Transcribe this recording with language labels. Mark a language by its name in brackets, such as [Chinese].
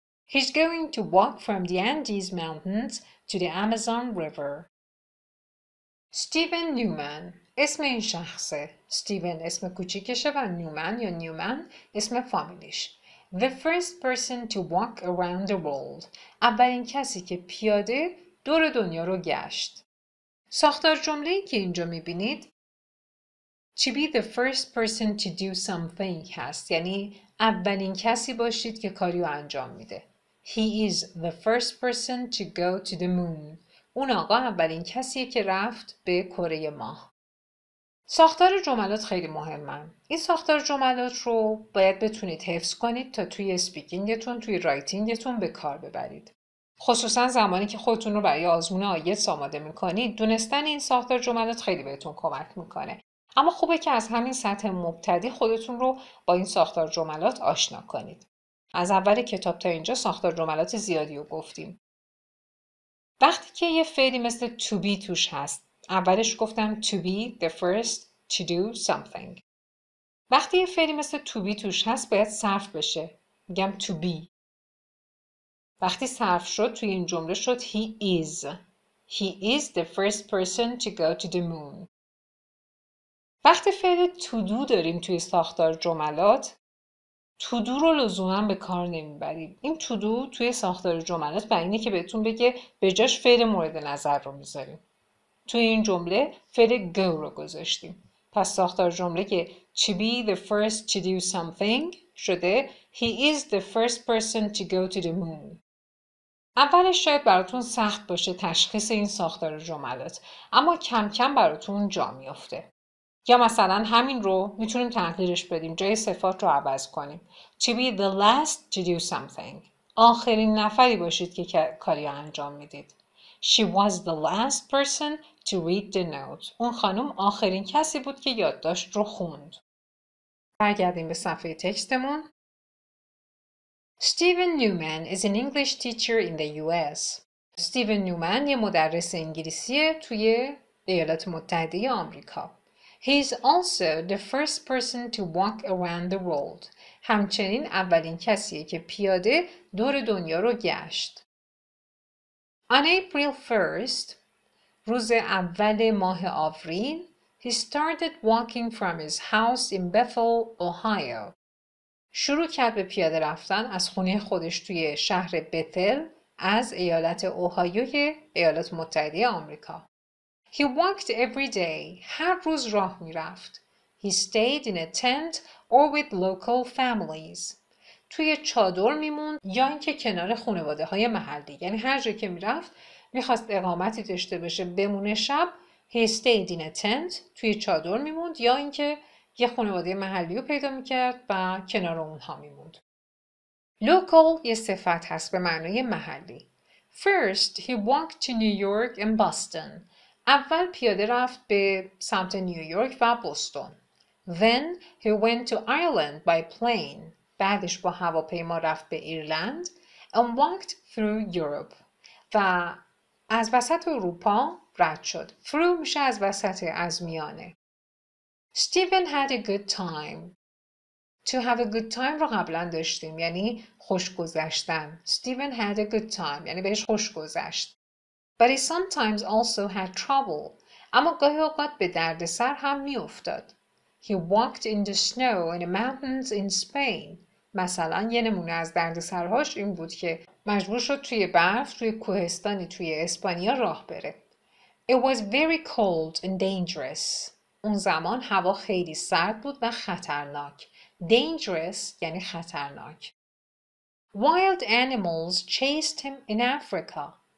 [English] He's going to walk from the Andes Mountains to the Amazon River. [Persian] Stephen Newman اسم این شخصه. Stephen اسم کوچیکشه و Newman یا Newman اسم فامیلیش. [English] The first person to walk around the world. [Persian] اولین کسی که پیاده دور دنیا رو گشت. ساختار جمله‌ای که اینجا می‌بینید [English] To be the first person to do something [Persian] هست. یعنی اولین کسی باشید که کاریو انجام میده. [English] He is the first person to go to the moon. [Persian] اون آقا اولین کسیه که رفت به کره ماه. ساختار جملات خیلی مهمه. این ساختار جملات رو باید بتونید حفظ کنید تا توی سپیکینگتون، توی رایتینگتون به کار ببرید. خصوصا زمانی که خودتون رو برای آزمون آیلتس آماده میکنید، دونستن این ساختار جملات خیلی بهتون کمک میکنه. اما خوبه که از همین سطح مبتدی خودتون رو با این ساختار جملات آشنا کنید. از اول کتاب تا اینجا ساختار جملات زیادی رو گفتیم. وقتی که یه فعلی مثل to be توش هست، اولش گفتم to be the first to do something. وقتی یه فعلی مثل to be توش هست باید صرف بشه. میگم to be. وقتی صرف شد توی این جمله شد he is. [English] He is the first person to go to the moon. [Persian] وقتی فعل to do داریم توی ساختار جملات to do رو لزوماً به کار نمیبریم. این to do توی ساختار جملات به اینه که بهتون بگه به جاش فعل مورد نظر رو میذاریم. توی این جمله فعل go رو گذاشتیم. پس ساختار جمله که [English] to be the first to do something [Persian] شده [English] he is the first person to go to the moon. [Persian] اولش شاید براتون سخت باشه تشخیص این ساختار جملات اما کم کم براتون جا میفته. یا مثلا همین رو میتونیم تغییرش بدیم. جای صفات رو عوض کنیم. [English] To be the last to do something. [Persian] آخرین نفری باشید که کاری انجام میدید. [English] She was the last person to read the note. [Persian] اون خانم آخرین کسی بود که یادداشت رو خوند. برگردیم به صفحه تکستمون. [English] Stephen Newman is an English teacher in the US. [Persian] Stephen Newman یه مدرس انگلیسیه توی ایالات متحده آمریکا. [English] He is also the first person to walk around the world. [Persian] همچنین اولین کسیه که پیاده دور دنیا رو گشت. [English] On April 1st, [Persian] روز اول ماه آوریل, [English] he started walking from his house in Bethel, Ohio. [Persian] شروع کرد به پیاده رفتن از خونه خودش توی شهر بتل از ایالت اوهایوی ایالات متحده آمریکا. [English] He walked every day. [Persian] هر روز راه می رفت. [English] He stayed in a tent or with local families. [Persian] توی چادر می موند یا اینکه کنار خانواده های محلی. یعنی هر جایی که می رفت می خواست اقامتی داشته باشه بمونه شب. [English] He stayed in a tent. [Persian] توی چادر می موند یا اینکه یه خانواده محلی رو پیدا می کرد و کنار اونها می موند. Local یه صفت هست به معنی محلی. [English] First, he walked to New York and Boston. [Persian] اول پیاده رفت به سمت نیویورک و بوستون. [English] Then he went to Ireland by plane. [Persian] بعدش با هواپیما رفت به ایرلند. [English] And walked through Europe. [Persian] و از وسط اروپا رد شد. Through میشه از وسط از میانه. [English] Stephen had a good time. To have a good time [Persian] رو قبلا داشتیم، یعنی خوش گذشتن. [English] Stephen had a good time، [Persian] یعنی بهش خوش گذشت. [English] But he sometimes also had trouble. [Persian] اما گاهی اوقات به درد سر هم می افتاد. [English] He walked in the snow in the mountains in Spain. [Persian] مثلا یه نمونه از درد سرهاش این بود که مجبور شد توی برف توی کوهستانی توی اسپانیا راه بره. [English] It was very cold and dangerous. [Persian] اون زمان هوا خیلی سرد بود و خطرناک. [English] Dangerous [Persian] یعنی خطرناک. [English] Wild animals chased him in Africa.